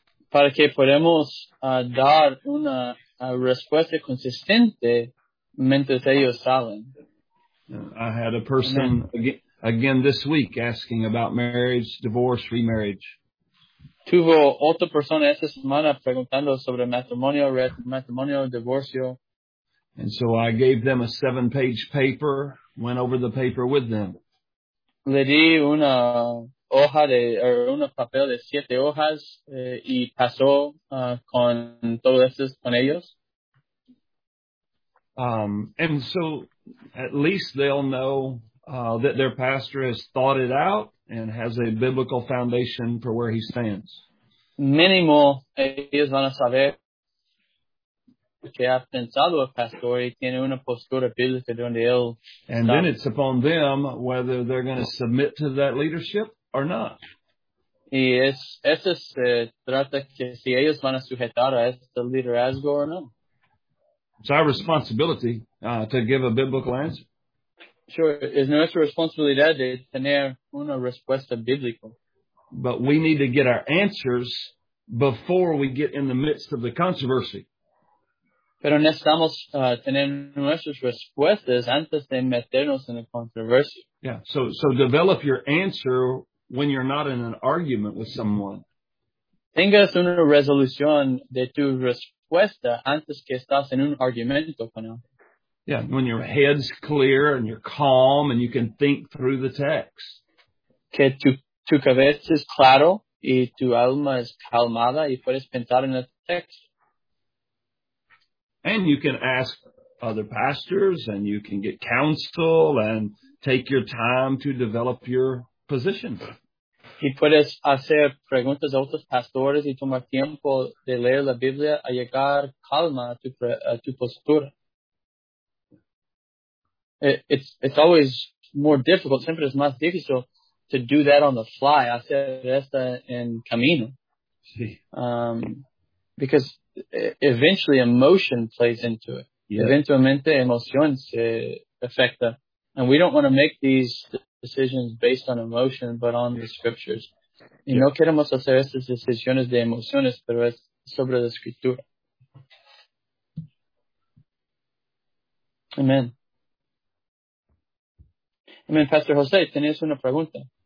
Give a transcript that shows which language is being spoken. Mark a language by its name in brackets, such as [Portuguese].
[Spanish] Para que podamos dar una respuesta consistente mientras ellos salen. [English] I had a person... Again, this week, asking about marriage, divorce, remarriage. [Spanish] Tuvo otra persona esta semana preguntando sobre matrimonio, matrimonio, divorcio. [English] And so I gave them a 7-page paper, went over the paper with them. [Spanish] Le di una hoja de, [English] or [Spanish] una papel de 7 hojas, y pasó con todos estos, con ellos. [English] And so at least they'll know that their pastor has thought it out and has a biblical foundation for where he stands. [Spanish] Mínimo, ellos van a saber que ha pensado el pastor y tiene una postura bíblica donde él está. [English] And then it's upon them whether they're going to submit to that leadership or not. [Spanish] Y eso se trata que si ellos van a sujetar a este liderazgo o no. [English] It's our responsibility to give a biblical answer. Sure, [Spanish] es nuestra responsabilidad de tener una respuesta bíblica. [English] But we need to get our answers before we get in the midst of the controversy. [Spanish] Pero necesitamos tener nuestras respuestas antes de meternos en la controversia. [English] Yeah, so develop your answer when you're not in an argument with someone. [Spanish] Tengas una resolución de tu respuesta antes que estás en un argumento con alguien. [English] Yeah, when your head's clear and you're calm and you can think through the text. [Spanish] Que tu cabeza es claro y tu alma es calmada y puedes pensar en el texto. [English] And you can ask other pastors and you can get counsel and take your time to develop your position. [Spanish] Y puedes hacer preguntas a otros pastores y tomar tiempo de leer la Biblia a llegar calma a tu postura. [English] It's always more difficult, [Spanish] siempre es más difícil [English] to do that on the fly, [Spanish] hacer esta en camino. Sí. [English] Because eventually emotion plays into it. Yeah. [Spanish] Eventualmente emoción se afecta. [English] And we don't want to make these decisions based on emotion, but on the scriptures. [Spanish] Y no queremos hacer estas decisiones de emociones, pero es sobre la escritura. [English] Amen. [Spanish] Amen. Pastor Jose, ¿tenías una pregunta?